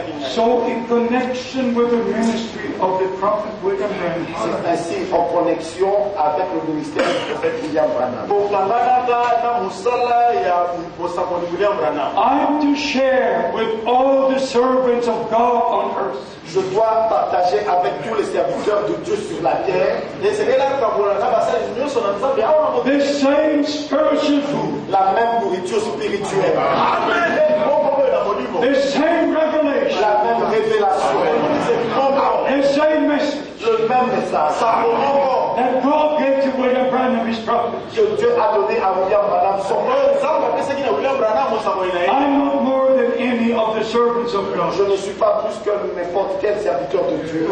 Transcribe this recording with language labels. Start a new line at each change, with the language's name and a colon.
English: So in connection with the ministry of the prophet William Branham.
French: C'est ainsi en connexion avec le ministère du prophète William Branham.
English: I'm to share with all the servants of God on earth.
French: Je dois partager avec tous les serviteurs de Dieu sur la terre.
English: The same spiritual food.
French: La même nourriture spirituelle.
English: Amen. The same revelation.
French: La même révélation.
English: The same message.
French: Le même message.
English: That God gave to William Branham his prophets.
French: Dieu a donné à William Branham son
English: I am not more than any of the servants of God.
French: Je ne suis pas plus que n'importe quel serviteur de Dieu.